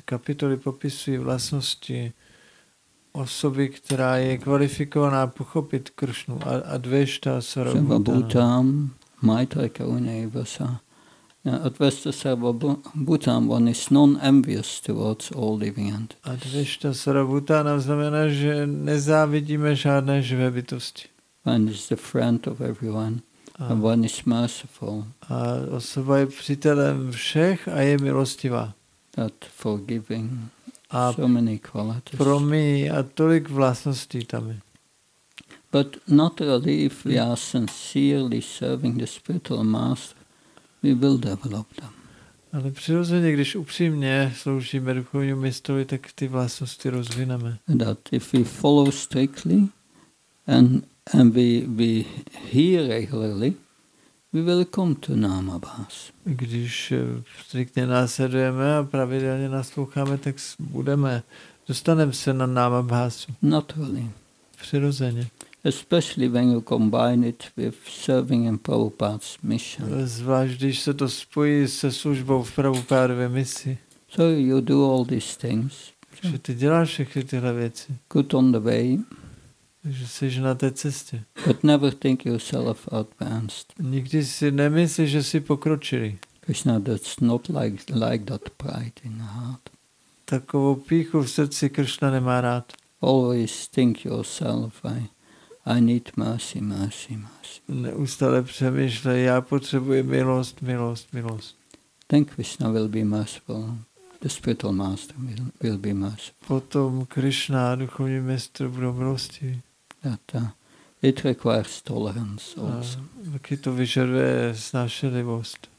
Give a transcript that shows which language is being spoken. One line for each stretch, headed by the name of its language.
Czech: kapitoly popisují vlastnosti osoby, která je kvalifikovaná pochopit Kršnu a dvěšta sarva
Sanskrit: bhutam, maitri karunyavasa.
English: Advaita sarva bhutam, one is non-envious towards all living entities.
Czech: Advaita sarva bhutam znamená, že nezávidíme žádné živé bytosti.
English: One is the friend of everyone, and one is merciful.
Czech: A osoba je přítelem všech a je milostivá.
English: That forgiving. A so many qualities.
Czech: Promí a tolik vlastností tam je.
English: But naturally, if we are sincerely serving the spiritual master, we will develop them.
Czech: Ale přirozeně, když upřímně sloužíme duchovnímu mistrovi, tak ty vlastnosti rozvineme.
English: That if we follow strictly and we hear regularly, we will come to Namabhas.
Czech: Když striktně následujeme a pravidelně nasloucháme, tak dostaneme se na Namabhasu.
English: Naturally.
Czech: Přirozeně.
English: Especially when you combine it with serving in Prabhupada's mission.
Czech: Zvlášť, když se to spojí se službou v Prabhupádově misi.
English: So you do all these things.
Czech: Že ty děláš všechny tyhle věci.
English: Good on the way.
Czech: Že jsi na té cestě.
English: But never think yourself advanced.
Czech: Nikdy si nemyslíš, že jsi pokročilý.
English: Krishna, that's not like that pride in the heart.
Czech: Takovou píchu v srdci Krishna nemá rád.
English: Always think yourself, I need mercy, mercy, mercy.
Czech: Neustále přemýšlej, já potřebuji milost, milost, milost.
English: Then Krishna will be merciful. The spiritual master will be merciful.
Czech: Potom Krishna, duchovní mistr, budou milostivý.
English: It requires tolerance also.
Czech: Taky to vyžaduje snášenlivost.